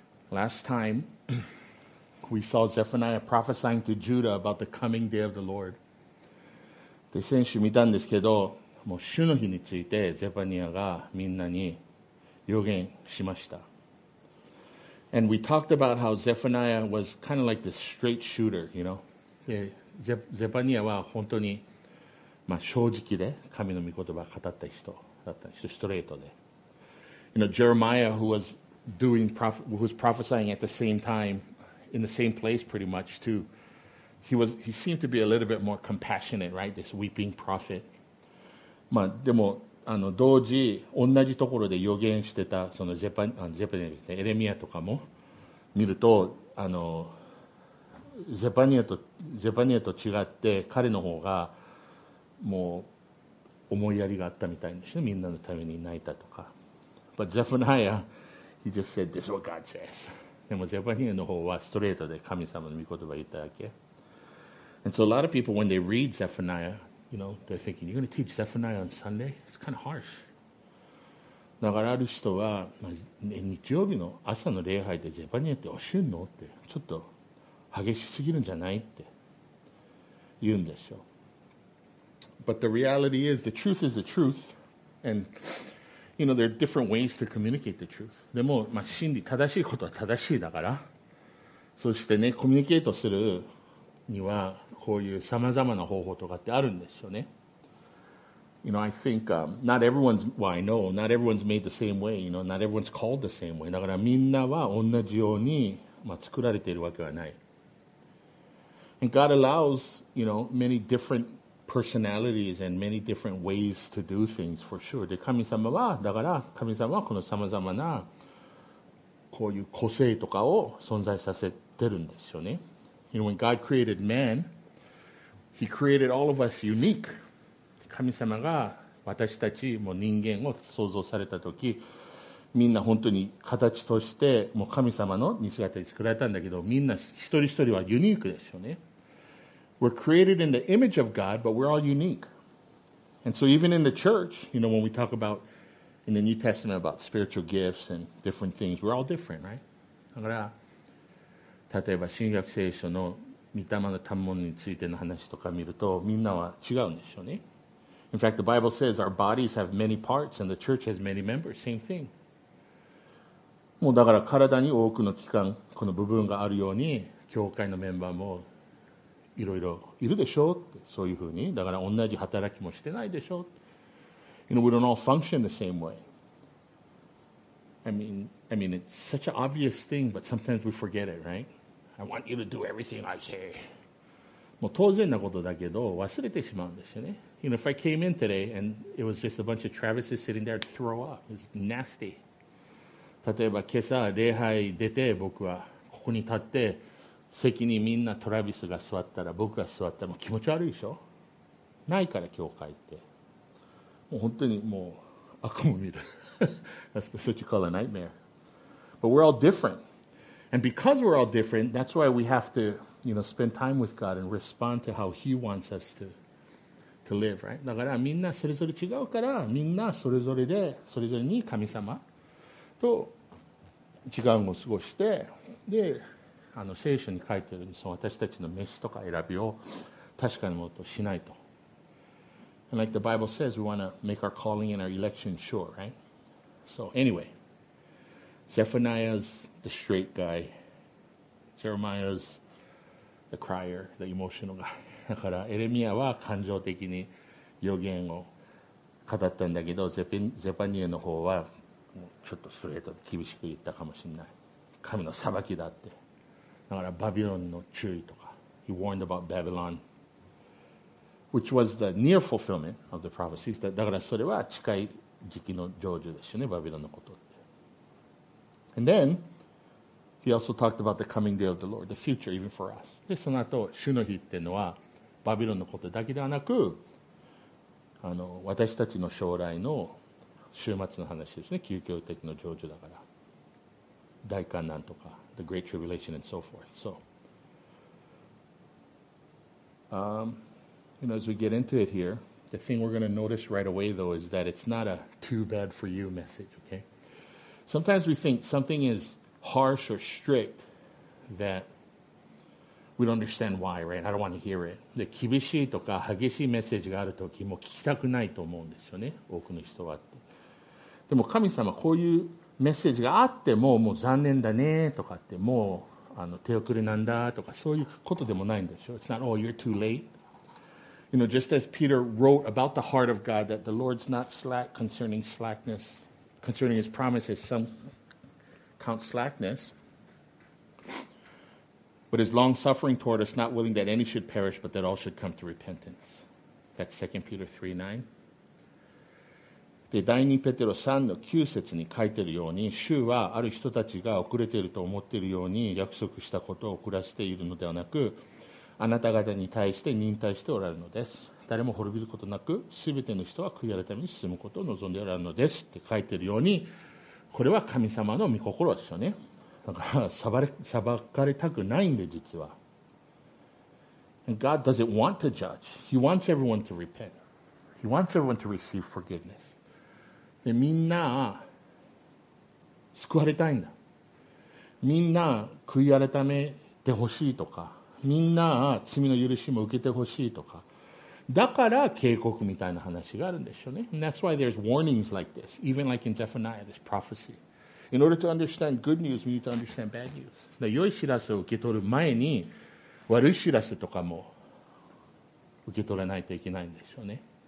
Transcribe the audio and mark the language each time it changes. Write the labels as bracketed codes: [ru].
[en] Last time we saw Zephaniah prophesying to Judah about the coming day of the Lord. [ja] で先週見たんですけど、もう主の日についてゼパニアがみんなに予言しました。 [en] And we talked about how Zephaniah was kind of like this straight shooter, you know. [ja] Zephaniah は本当に、まあ、正直で神の御言葉を語った人だった人、ストレートで。 [en] You know, Jeremiah, who was doing, who was prophesying at the same time, in the same place pretty much too, he seemed to be a little bit more compassionate, right? This weeping prophet. [ja] まあでも、あの同時同じところで予言してたそのゼパニアですね、エレミアとかも見るとあのゼパニアと違って彼の方がもう思いやりがあったみたいですね、みんなのために泣いたとか。 [en] But Zephaniah, he just said, this is what God says. [ja] でもゼパニアの方はストレートで神様の御言葉を言っただけ。 [en] And so a lot of people when they read ZephaniahYou know, they're thinking, you're going to teach Zephaniah on Sunday? It's kind of harsh. [ja] だからある人は、まあ、日曜日の朝の礼拝でゼパニアって教えるのって、ちょっと激しすぎるんじゃないって言うんでしょう。 [en] But the reality is, the truth is the truth. And, you know, there are different ways to communicate the truth. [ja] でも、まあ、真理、正しいことは正しいだから。そしてね、コミュニケートするには、こういうさまざまな方法とかってあるんですよね。 [en] You know, I think、not everyone's, well, I know, not everyone's made the same way, you know, not everyone's called the same way. [ja] だからみんなは同じように、まあ、作られているわけはない。 [en] And God allows, you know, many different personalities and many different ways to do things, for sure. [ja] で、神様は、だから神様はこのさまざまなこういう個性とかを存在させてるんですよね。 [en] You know, when God created man,He created all of us unique. [ja] 神様が私たちも人間を創造されたとき、みんな本当に形としてもう神様の似姿に作られたんだけど、みんな一人一人はユニークですよね。 [en] We're created in the image of God, but we're all unique. And so even in the church, you know, when we talk about in the New Testament about spiritual gifts and different things, we're all different, right? [ja] だから、例えば新約聖書の御霊の賜物についての話とか見るとみんなは違うんでしょうね。 [en] In fact, the Bible says our bodies have many parts and the church has many members. Same thing. [ja] もうだから体に多くの器官、この部分があるように教会のメンバーもいろいろいるでしょうって、そういうふうに。だから同じ働きもしてないでしょう。 [en] You know, we don't all function the same way. I mean, it's such an obvious thing, but sometimes we forget it, right? I want you to do everything I say. [ja] もう当然なことだけど忘れてしまうんですよね。 [en] You know, if I came in today and it was just a bunch of Travises sitting there, I'd throw up. It's nasty. [ja] 例えば今朝礼拝出て僕はここに立って席にみんなトラビスが座ったら僕が座ったらもう気持ち悪いでしょ。ないから教会って。もう本当にもう悪夢見る。 [en] That's what you call a nightmare. But we're all different. And because we're all different, that's why we have to, you know, spend time with God and respond to how He wants us to live, right? [ja] だからみんなそれぞれ違うから、みんなそれぞれで、それぞれに神様と時間を過ごして、で、あの聖書に書いてあるその私たちの飯とか選びを確かにもっとしないと。 [en] And like the Bible says, we want to make our calling and our election sure, right? So anyway, Zephaniah's the straight guy. Jeremiah's the crier, the emotional guy. [ja] だからエレミアは感情的に予言を語ったんだけど、ゼパニエの方はちょっとストレートで厳しく言ったかもしれない。神の裁きだって。だからバビロンの注意とか。 [en] He warned about Babylon, which was the near fulfillment of the prophecies. [ja] だからそれは近い時期の成就ですよね、バビロンのことって。 [en] And then,He also talked about the coming day of the Lord, the future, even for us. [ja] で、その後、主の日っていうのは、バビロンのことだけではなく、あの、私たちの将来の週末の話ですね。究極的の成就だから。大患難とか、 [en] the great tribulation and so forth. So, You know, as we get into it here, the thing we're going to notice right away, though, is that it's not a too bad for you message, okay? Sometimes we think something is harsh or strict that we don't understand why, right? I don't want to hear it. [ja] で、厳しいとか激しいメッセージがあるときも聞きたくないと思うんですよね、多くの人はって。でも神様、こういうメッセージがあっても、もう残念だねとかって、もうあの手遅れなんだとか、そういうことでもないんでしょ。 [en] It's not, oh, you're too late. You know, just as Peter wrote about the heart of God, that the Lord's not slack concerning slackness, concerning his promises, some count slackness, but is long-suffering toward us, not willing that any should perish, but that all should come to repentance. That's 2 Peter 3, 9. [ja] で、第2ペテロ3の9節に書いているように、主はある人たちが遅れていると思っているように約束したことを遅らせているのではなく、あなた方に対して忍耐しておられるのです。誰も滅びることなく、すべての人は悔い改めに進むことを望んでおられるのですって書いているように、これは神様の御心ですよね。だから裁かれたくないんで、実は。 [en] And God doesn't want to judge. He wants everyone to repent. He wants everyone to receive forgiveness. [ja] で、みんな救われたいんだ。みんな悔い改めてほしいとか、みんな罪の許しも受けてほしいとか、だから警告みたいな話があるんでしょうね。 [en] And that's why there's warnings like this, even like in Zephaniah, this prophecy. In order to understand good news, we need to understand bad news. [ja] 良い知らせを受け取る前に、悪い知らせとかも受け取らないといけないんでしょうね。